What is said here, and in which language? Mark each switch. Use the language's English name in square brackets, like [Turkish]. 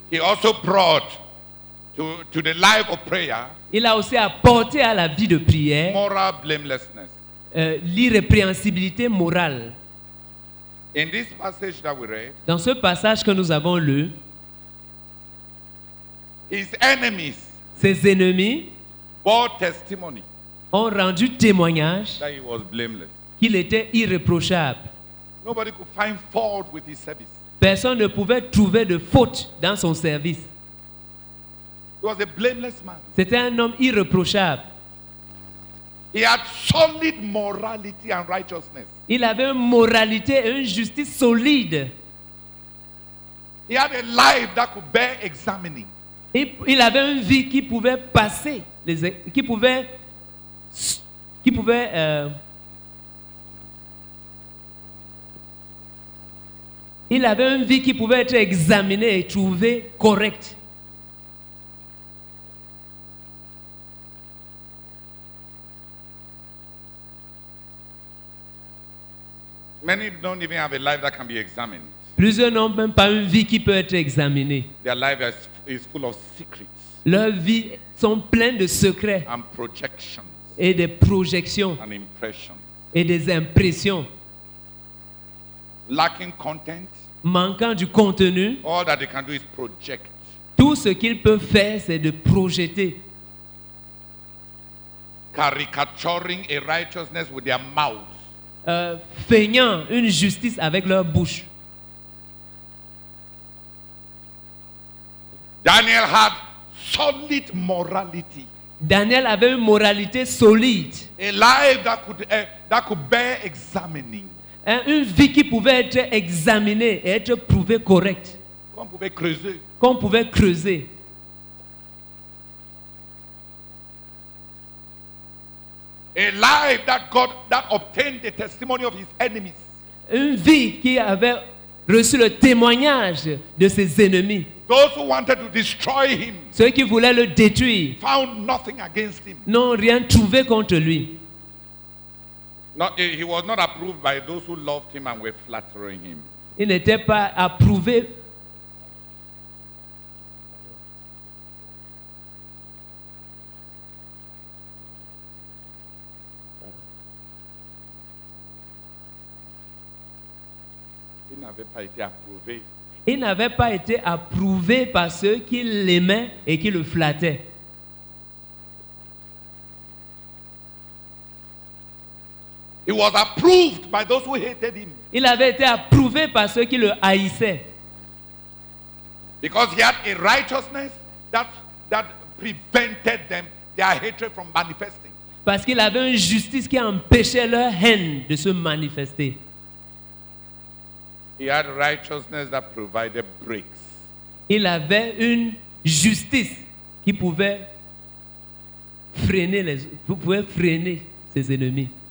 [English] he also brought to the life of prayer, [French] il a aussi apporté à la vie de prière [English] moral blamelessness, [French] l'irrépréhensibilité morale. [English] In this passage that we read, [French] dans ce passage que nous avons lu, [English] his enemies, [French] ses ennemis, [English] bore testimony, [French] ont rendu témoignage [English] that he was blameless, [French] qu'il était irréprochable. [English] Nobody could find fault with his service. [French] Personne ne pouvait trouver de faute dans son service. [English] He was a blameless man. [French] C'était un homme irréprochable. [English] He had solid morality and righteousness. [French] Il avait une moralité et une justice solide. [English] He had a life that could bear examining. [French] Il avait une vie qui pouvait passer, il avait une vie qui pouvait être examinée et trouvée correcte. [English] Many don't even have a life that can be examined. [French] Plusieurs n'ont même pas une vie qui peut être examinée. [English] Their life is full of secrets. [French] Leur vie sont pleines de secrets. [English] And projections. [French] Et des projections. [English] And impressions. [French] Et des impressions. [English] Lacking content. [French] Manquant du contenu. [English] All that they can do is project. [French] Tout ce qu'ils peuvent faire, c'est de projeter. [English] Caricaturing a righteousness with their mouth. [French] Feignant une justice avec leur bouche. [English] Daniel had solid morality. [French] Daniel avait une moralité solide. [English] A life that could bear examining. [French] Une vie qui pouvait être examinée et être prouvée correcte. Qu'on pouvait creuser. [English] A life that God that obtained the testimony of his enemies. [French] Une vie qui avait reçu le témoignage de ses ennemis. [English] Those who wanted to destroy him. [French] Ceux qui voulaient le détruire. [English] Found nothing against him. [French] N'ont rien trouvé contre lui. [English] He was not approved by those who loved him and were flattering him. [French] Il n'était pas approuvé. Il n'avait pas été approuvé par ceux qui l'aimaient et qui le flattaient. [English] He was approved by those who hated him. [French] Il avait été approuvé par ceux qui le haïssaient. [English] Because he had a righteousness that prevented them their hatred from manifesting. [French] Parce qu'il avait une justice qui empêchait leur haine de se manifester. [English] He had righteousness that provided bricks. [French] Il avait une justice qui pouvait freiner ses ennemis.